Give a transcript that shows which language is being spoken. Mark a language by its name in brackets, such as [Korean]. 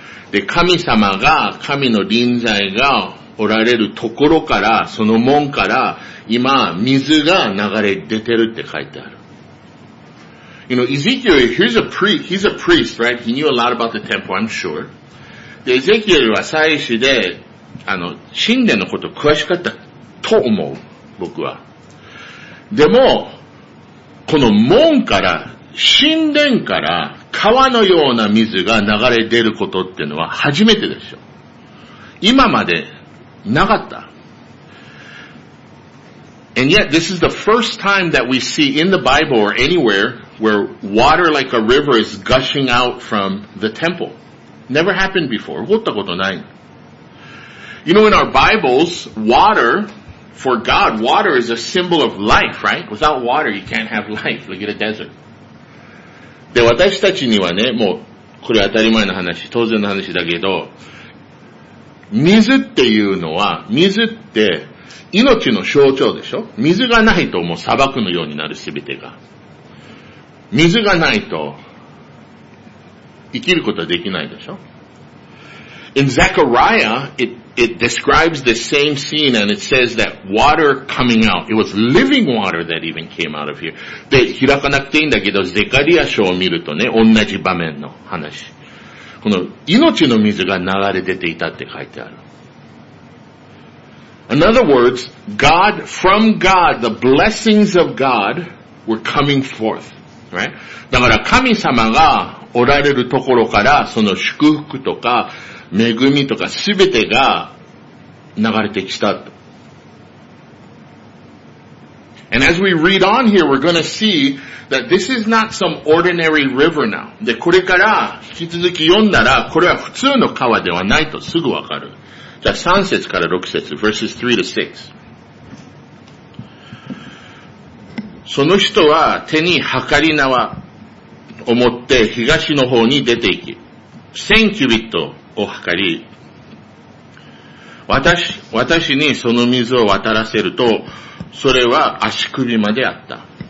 [Japanese] で、神様が、神の臨在がおられるところから、その門から、今、水が流れ出てるって書いてある。 [English] You know, Ezekiel, he's a priest, right? He knew a lot about the temple, I'm sure. [Japanese] で、Ezekiel は祭司で、神殿のこと詳しかったと思う、僕は。でも、この門から、神殿から川のような水が流れ出ることっていうのは初めてでしょ。今までなかった。 [English] And yet, this is the first time that we see in the Bible or anywhere where water like a river is gushing out from the temple. Never happened before. [Japanese] 起こったことない。 [English] You know, in our Bibles, water, for God, water is a symbol of life, right? Without water, you can't have life. Look at a desert. [Japanese] で、私たちにはね、もう、これは当たり前の話、当然の話だけど、水っていうのは、水って命の象徴でしょ？水がないともう砂漠のようになる全てが。水がないと生きることはできないでしょ？ [English] In Zechariah, it describes the same scene and it says that water coming out, it was living water that even came out of here. [Japanese] で、開かなくていいんだけど、ゼカリア書を見るとね、同じ場面の話。この命の水が流れ出ていたって書いてある。 [English] In other words, God, from God, the blessings of God were coming forth, right? [Japanese] だから神様がおられるところから、その祝福とか、恵みとか、すべてが流れてきたと。 [English] And as we read on here, we're gonna see that this is not some ordinary river now. [Japanese] で、これから引き続き読んだら、これは普通の川ではないとすぐわかる。じゃあ3節から6節、 [English] verses 3 to 6。 [Japanese] その人は手に計り縄を持って東の方に出て行き、1000キュビットを計り、私にその水を渡らせると、それは足首まであった。